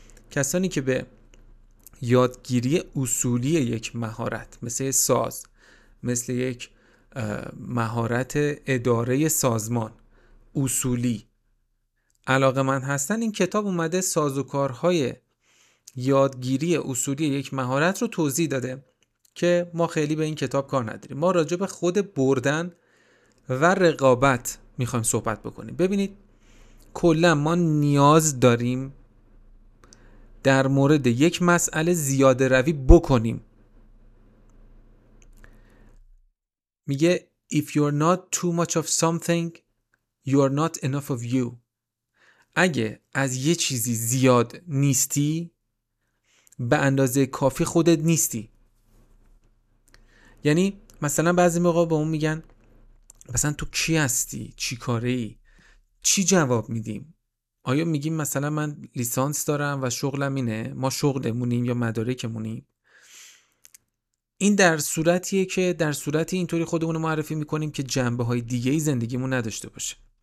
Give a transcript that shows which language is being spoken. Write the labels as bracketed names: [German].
[Persian] کسانی که به یادگیری اصولی یک مهارت مثل ساز، مثل یک مهارت اداره سازمان اصولی علاقه‌مند هستن، این کتاب اومده ساز و کارهای یادگیری اصولی یک مهارت رو توضیح داده که ما خیلی به این کتاب کار نداریم. ما راجع به خود بردن و رقابت میخوایم صحبت بکنیم. ببینید، کلا ما نیاز داریم در مورد یک مسئله زیاده روی بکنیم. میگه [English] If you're not too much of something, you're not enough of you. [Persian] اگه از یه چیزی زیاد نیستی، به اندازه کافی خودت نیستی. یعنی مثلا بعضی موقع به اون میگن مثلا تو کی هستی؟ چی کاره ای؟ چی جواب میدیم؟ آیا میگیم مثلا من لیسانس دارم و شغلم اینه، ما شغلمونیم یا مدارکمونیم؟ این در صورتیه که در صورتی اینطوری خودمون رو معرفی میکنیم که جنبه های دیگه ای زندگیمون نداشته باشه.